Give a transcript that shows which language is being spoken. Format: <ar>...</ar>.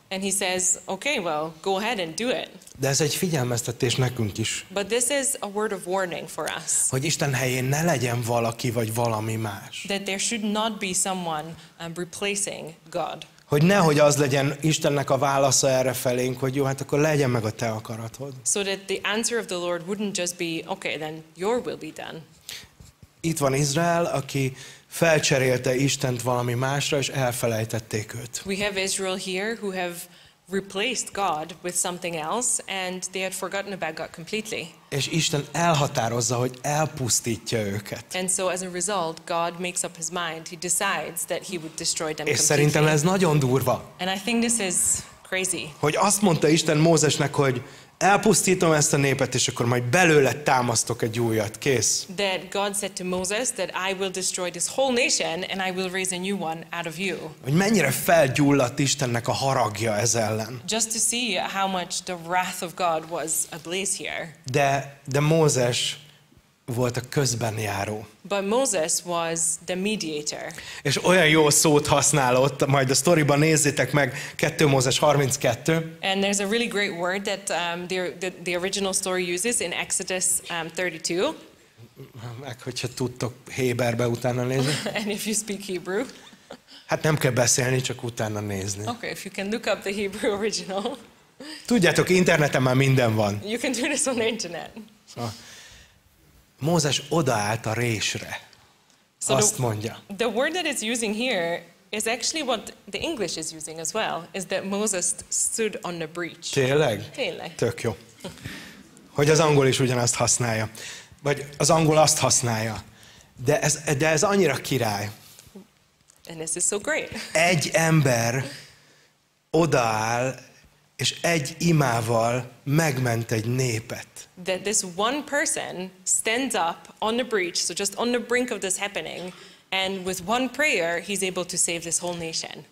<en>And he says, okay, well, go ahead and do it.</en> <hu>De ez egy figyelmeztetés nekünk is.</hu> <en>But this is a word of warning for us.</en> <hu>Hogy Isten helyén ne legyen valaki vagy valami más.</hu> <en>That there should not be someone replacing God.</en> <hu>Hogy nehogy az legyen Istennek a válasza erre felénk, hogy jó, hát akkor legyen meg a te akaratod.</hu> <en>So that the answer of the Lord wouldn't just be, okay, then your will be done.</en> <hu>Itt van Izrael, aki felcserélte Istent valami másra, és elfelejtették őt.</hu> <en>We have Israel here who have replaced God with something else, and they had forgotten about God completely.</en> <hu>És Isten elhatározza, hogy elpusztítja őket.</hu> <en>And so as a result, God makes up his mind. He decides that he would destroy them completely.</en> <hu>És szerintem ez nagyon durva.</hu> <en>And I think this is crazy.</en> <hu>Hogy azt mondta Isten Mózesnek, hogy elpusztítom ezt a népet, és akkor majd belőle támasztok egy újat. Kész.</hu> <en>That God said to Moses that I will destroy this whole nation and I will raise a new one out of you.</en> <hu>Hogy mennyire felgyulladt Istennek a haragja ez ellen.</hu> <en>Just to see how much the wrath of God was ablaze here.</en> <hu>De Mózes volt a közbenjáró.</hu> <en>But Moses was the mediator.</en> <hu>És olyan jó szót használott, majd a sztoriban nézzétek meg, 2 Mózes 32.</hu> <en>And there's a really great word that the original story uses in Exodus 32.</en> <hu>Meg hogyha tudtok héberbe utána nézni.</hu> <en>And if you speak Hebrew.</en> <hu>Hát nem kell beszélni, csak utána nézni.</hu> <en>Okay, if you can look up the Hebrew original.</en> <hu>Tudjátok, interneten már minden van.</hu> <en>You can do this on the internet.</en> <hu>Mózes odaállt a résre.</hu> <en>So</en> <hu>azt mondja.</hu> <en>The word that it's using here is actually what the English is using as well, is that Moses stood on the breach.</en> <hu>Tényleg? Tényleg. Tök jó. Hogy az angol is ugyanazt használja. Vagy az angol azt használja. De ez annyira király.</hu> <en>And this is so great.</en> <hu>Egy ember odaáll, és egy imával megment egy népet.</hu> <en>That this one person stands up on the breach, so just on the brink of this happening, and with one prayer, he's able to save this whole nation.</en>